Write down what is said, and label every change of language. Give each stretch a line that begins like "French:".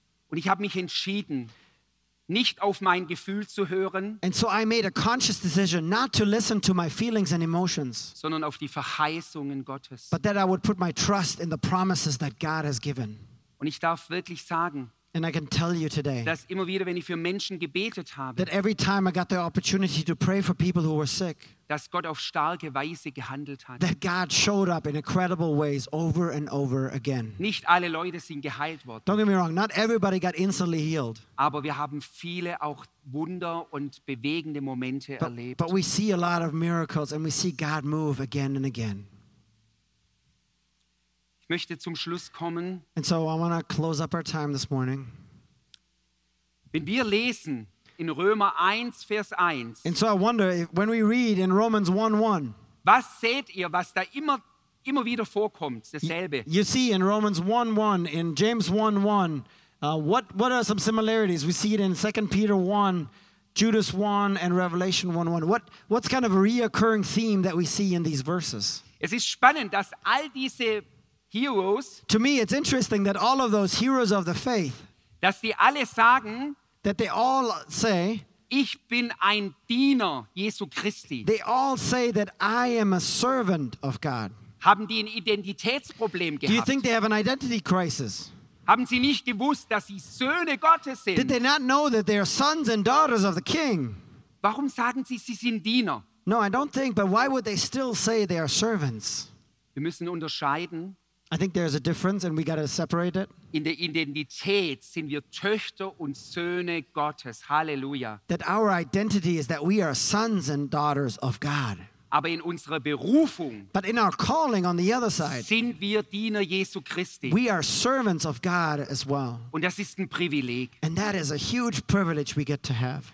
German: Und ich habe mich entschieden, nicht auf mein Gefühl zu hören.
English: And so I made a conscious decision not to listen to my feelings and emotions,
German: sondern auf die Verheißungen Gottes.
English: But that I would put my trust in the promises that God has given.
German: Und ich darf wirklich sagen,
English: and I can tell you today,
German: dass immer wieder, wenn ich für Menschen gebetet habe,
English: that every time I got the opportunity to pray for people who were sick,
German: dass Gott auf starke Weise gehandelt hat.
English: That God showed up in incredible ways over and over again.
German: Nicht alle Leute sind geheilt worden.
English: Don't get me wrong, not everybody got instantly healed.
German: Aber wir haben viele auch Wunder und bewegende Momente erlebt.
English: But we see a lot of miracles and we see God move again and again.
German: Ich möchte zum Schluss kommen.
English: And so I want to close up our time this morning.
German: Wenn wir lesen, in Römer 1, Vers 1.
English: And so I wonder, if, when we read in Romans 1:1.
German: Was seht ihr, was da immer wieder vorkommt, dasselbe?
English: You see in Romans 1:1, in James 1:1, what are some similarities? We see it in 2 Peter 1, Judas 1, and Revelation 1:1. What's kind of a reoccurring theme that we see in these verses?
German: Es ist spannend, dass all diese Heroes,
English: to me, it's interesting that all of those heroes of the faith,
German: dass die alle sagen,
English: that they all say,
German: ich bin ein Diener Jesu Christi.
English: They all say that I am a servant of God.
German: Haben die ein Identitätsproblem gehabt?
English: Do you think they have an identity crisis?
German: Haben sie nicht gewusst, dass sie Söhne Gottes sind?
English: Did they not know that they are sons and daughters of the King?
German: Warum sagen sie, sie sind Diener?
English: No, I don't think, but why would they still say they are servants?
German: Wir müssen unterscheiden.
English: I think there's a difference and we got to separate it.
German: In der Identität sind wir Töchter und Söhne Gottes. Halleluja.
English: That our identity is that we are sons and daughters of God.
German: Aber in unserer Berufung,
English: but in our calling on the other side,
German: sind wir Diener Jesu Christi.
English: We are servants of God as well.
German: Und das ist ein Privileg.
English: And that is a huge privilege we get to have.